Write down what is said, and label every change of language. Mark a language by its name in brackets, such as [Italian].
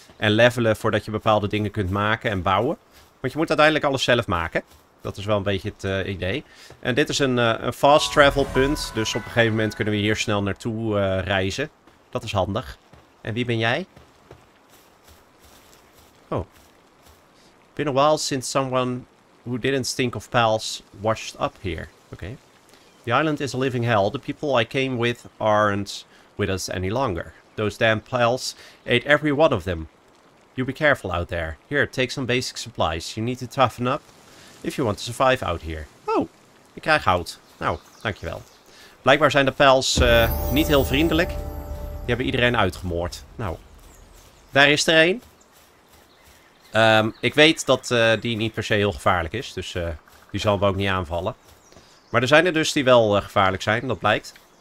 [Dutch] En levelen voordat je bepaalde dingen kunt maken en bouwen. Want je moet uiteindelijk alles zelf maken. Dat is wel een beetje het idee. En dit is een fast travel punt, dus op een gegeven moment kunnen we hier snel naartoe reizen. Dat is handig. En wie ben jij? Oh. [English] Been a while since someone who didn't stink of pals washed up here. Okay. The island is a living hell. The people I came with aren't with us any longer. Those damn pals ate every one of them. You be careful out there. Here, take some basic supplies. You need to toughen up if you want to survive out here. [Dutch] Oh, ik krijg hout. Nou, dankjewel. Blijkbaar zijn de pals niet heel vriendelijk. Die hebben iedereen uitgemoord. Nou, daar is er één. Ik weet dat die niet per se heel gevaarlijk is. Dus die zal me ook niet aanvallen. Maar er zijn er dus die wel gevaarlijk zijn, dat blijkt.